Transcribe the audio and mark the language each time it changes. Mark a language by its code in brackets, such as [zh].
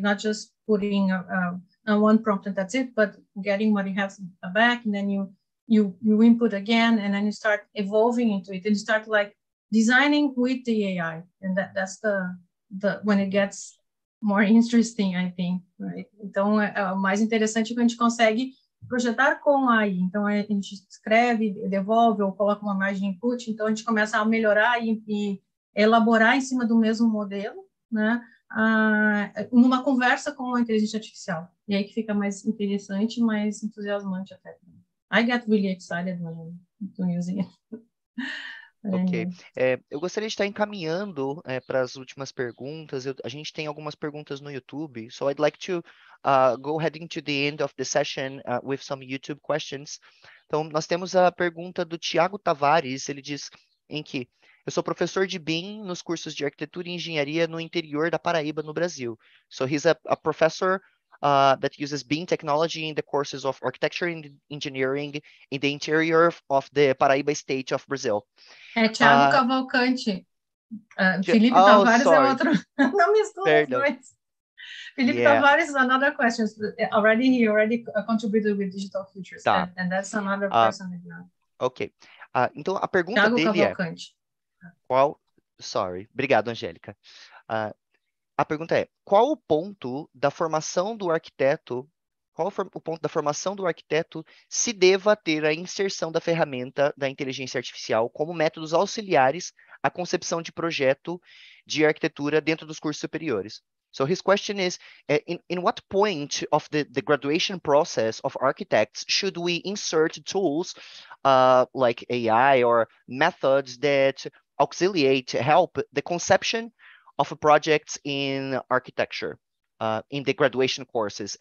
[en] Not just putting one prompt and that's it, but getting what you have back, and then you you input again, and then you start evolving into it, and you start like designing with the AI, and that's the when it gets more interesting, I think, right? [pt] Então, é mais interessante quando a gente consegue projetar com a AI. Então, a gente escreve, devolve ou coloca uma margem de input, então a gente começa a melhorar e elaborar em cima do mesmo modelo, né? Numa conversa com a inteligência artificial. E aí que fica mais interessante, mais entusiasmante até. [en] I get really excited when I'm using it. Ok. [pt] Eu gostaria de estar encaminhando para as últimas perguntas. A gente tem algumas perguntas no YouTube. [en] So I'd like to go heading to the end of the session with some YouTube questions. [pt] Então, nós temos a pergunta do Thiago Tavares. Ele diz em que eu sou professor de BIM nos cursos de arquitetura e engenharia no interior da Paraíba, no Brasil. [en] So he's a professor that uses BIM technology in the courses of architecture and engineering in the interior of the Paraíba state of Brazil. [pt] Thiago Cavalcante. Felipe Tavares é outro. Não me escuta, perdão. Mas... [en] Felipe Tavares is another question. He already contributed with digital futures. Tá. And that's another person. [pt] Ok. Então, a pergunta Thiago dele Cavalcante. É... Obrigado, Angélica. A pergunta é, qual o ponto da formação do arquiteto, se deva ter a inserção da ferramenta da inteligência artificial como métodos auxiliares à concepção de projeto de arquitetura dentro dos cursos superiores? [en] So his question is, in what point of the graduation process of architects should we insert tools like AI or methods that auxiliate, help the conception of a project in architecture, in the graduation courses?